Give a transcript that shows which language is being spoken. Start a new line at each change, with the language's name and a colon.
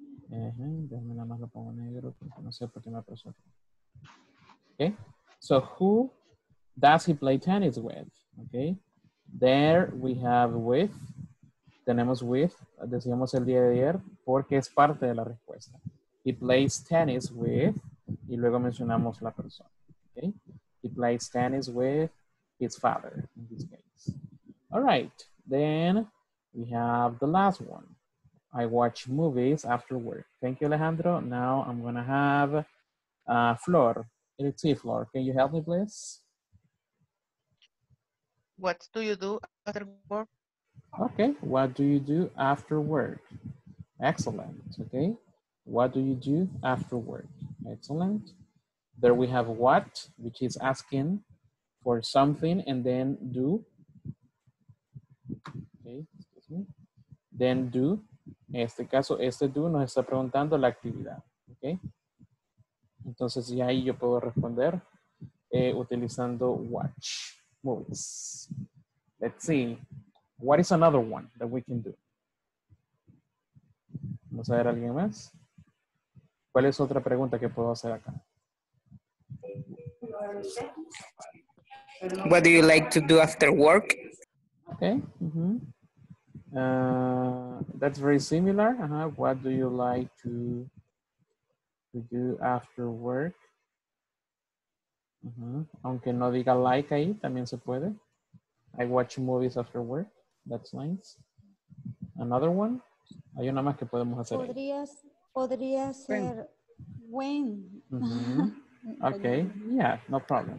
Spanish: Déjame nada más lo pongo negro porque no sé por qué me apresó.
English: Okay, so who does he play tennis with? Okay, there we have with.
Spanish: Tenemos with, decíamos el día de ayer, porque es parte de la respuesta.
English: He plays tennis with,
Spanish: y luego mencionamos la persona.
English: Okay? He plays tennis with his father, in this case. All right, then we have the last one. I watch movies after work. Thank you, Alejandro. Now I'm going to have Flor. It's Flor. Can you help me, please? What do you do after work? Okay, what do you do after work? Excellent, okay. What do you do after work? Excellent. There we have what, which is asking for something, and then do. Okay, excuse me. Then do.
Spanish: En este caso, este do nos está preguntando la actividad. Okay. Entonces, ya ahí yo puedo responder utilizando watch movies.
English: Let's see. What is another one that we can do?
Spanish: Vamos a ver a alguien más. ¿Cuál es otra pregunta que puedo hacer acá?
English: What do you like to do after work? Okay. Mm-hmm. That's very similar. Uh-huh. What do you like to do after work? Uh-huh.
Spanish: Aunque no diga like ahí, también se puede.
English: I watch movies after work. That's nice. Another one.
Spanish: Hay una más que podemos hacer. Podría ser when.
English: Mm-hmm. Okay. Yeah, no problem.